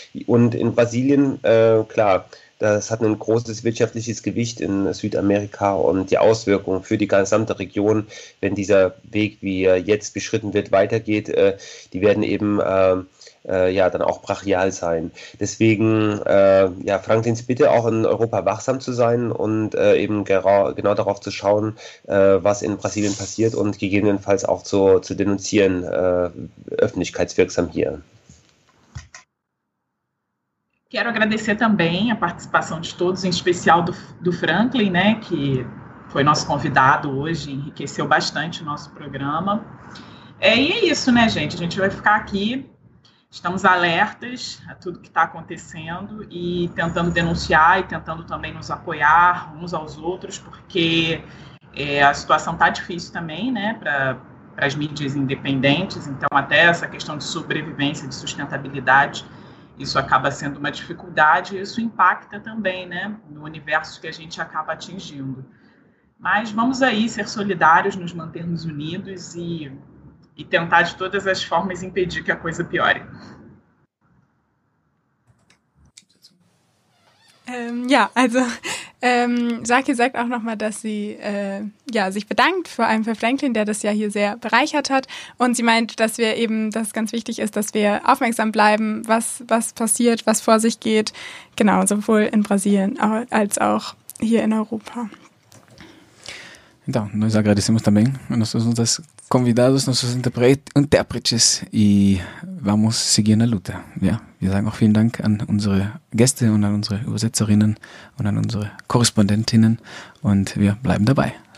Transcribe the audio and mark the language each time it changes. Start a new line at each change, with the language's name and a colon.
German: Und in Brasilien, klar, das hat ein großes wirtschaftliches Gewicht in Südamerika und die Auswirkungen für die gesamte Region, wenn dieser Weg, wie er jetzt beschritten wird, weitergeht, die werden eben ja, dann auch brachial sein. Deswegen, ja, Franklins Bitte, auch in Europa wachsam zu sein und eben genau darauf zu schauen, was in Brasilien passiert und gegebenenfalls auch zu denunzieren, öffentlichkeitswirksam hier.
Portuguese: Quero agradecer também a participação de todos, em especial do Franklin, né, que foi nosso convidado hoje, enriqueceu bastante o nosso programa. E é isso, né, gente? A gente vai ficar aqui, estamos alertas a tudo que está acontecendo e tentando denunciar e tentando também nos apoiar uns aos outros, porque a situação está difícil também, né, para as mídias independentes, então até essa questão de sobrevivência, de sustentabilidade, isso acaba sendo uma dificuldade e isso impacta também, né, no universo que a gente acaba atingindo. Mas vamos aí ser solidários, nos mantermos unidos e tentar de todas as formas impedir que a coisa piore.
German: Ja, also Saki sagt auch nochmal, dass sie sich bedankt, vor allem für Franklin, der das ja hier sehr bereichert hat. Und sie meint, dass wir eben, dass es ganz wichtig ist, dass wir aufmerksam bleiben, was passiert, was vor sich geht. Genau, sowohl in Brasilien als auch hier in Europa.
Portuguese: Então, nós agradecemos também a nossos convidados, nossos intérpretes e vamos seguir na luta.
German: Ja, wir sagen auch vielen Dank an unsere Gäste und an unsere Übersetzerinnen und an unsere Korrespondentinnen und wir bleiben dabei.